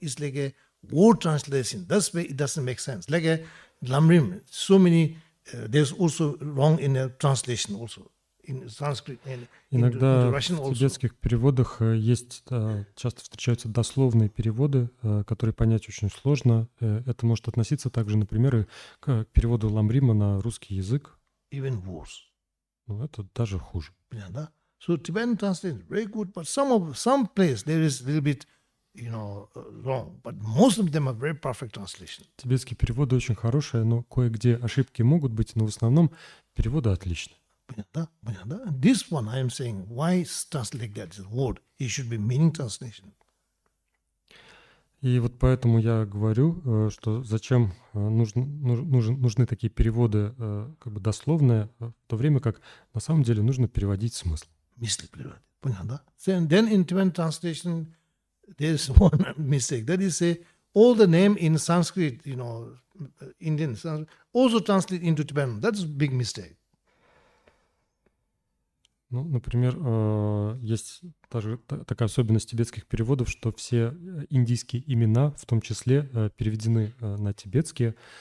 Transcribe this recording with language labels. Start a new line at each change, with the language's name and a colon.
English: It's like a word translation. That's why it doesn't make sense. Like a lamrim, so many there's also wrong in the translation also in Sanskrit and
Russian: иногда
English: into Russian also.
Russian: В тибетских переводах есть часто встречаются дословные переводы, которые понять очень сложно. Это может относиться также, например, к переводу ламрима на русский язык. Even worse. Ну это даже хуже. Понятно. Да?
English: So Tibetan translation very good, but some place there is a little bit. You know, wrong, but most of them are very perfect translation.
Russian: Тибетские переводы очень хорошие, но кое-где ошибки могут быть, но в основном переводы отличны. Понятно, понятно.
English: This one I am saying, why translate that word? It should be meaning translation.
Russian: И вот поэтому я говорю, что зачем нужны такие переводы, как бы дословные, в то время как на самом деле нужно переводить смысл. Мысли переводы. Понятно.
English: Then in Tibetan translation. There's one mistake. That is, say, all the name in Sanskrit, you know, Indian Sanskrit, also translate into Tibetan. That's a big mistake.
Russian: Ну, например, есть такая особенность тибетских переводов, что все индийские имена, в том числе, переведены на тибетские.